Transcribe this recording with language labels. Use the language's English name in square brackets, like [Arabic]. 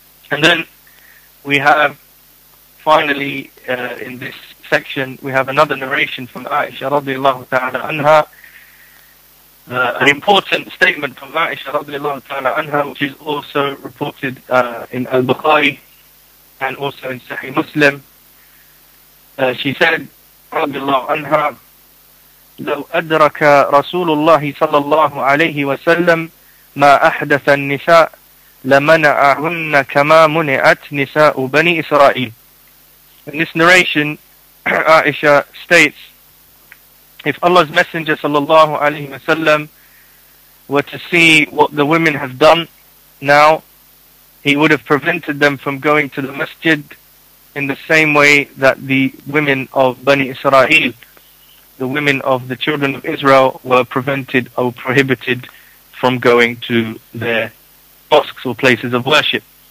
[English] And then we have, finally, in this section, we have another narration from Aisha radiallahu ta'ala anha. An important statement from Aisha radiallahu ta'ala anha, which is also reported in Al-Bukhari and also in Sahih Muslim. She said, [Arabic] radiallahu anha, لو أدرك رسول الله صلى الله عليه وسلم ما أحدث النساء لمنعهن كما منعت نساء بني إسرائيل. [English] In this narration, Aisha states, if Allah's Messenger sallallahu alayhi wa sallam were to see what the women have done now, he would have prevented them from going to the masjid in the same way that the women of Bani Israel, the women of the children of Israel, were prevented or prohibited from going to their mosques or places of worship.